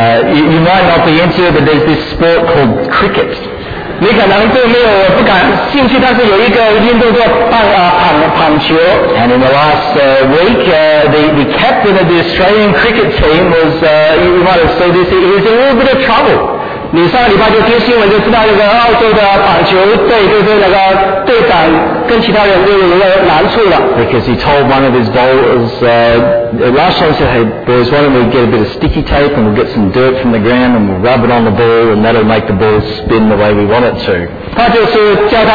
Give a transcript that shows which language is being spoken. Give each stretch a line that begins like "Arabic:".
English: You might not be into it, but there's this sport called cricket.
Chinese: 你可能对没有不感兴趣，但是有一个运动叫棒球。
English: And in the last week, the captain of the Australian cricket team was, you might have said this, he was in a little bit of trouble.
Chinese: 你上个礼拜就听新闻就知道，那个澳洲的棒球队就是那个队长跟其他人就有难处了。
English: Because he told one of his bowlers, last time he said, hey, boys, why don't we get a bit of sticky tape and we'll get some dirt from the ground and we'll rub it on the ball and that'll make the ball spin the way we want it to.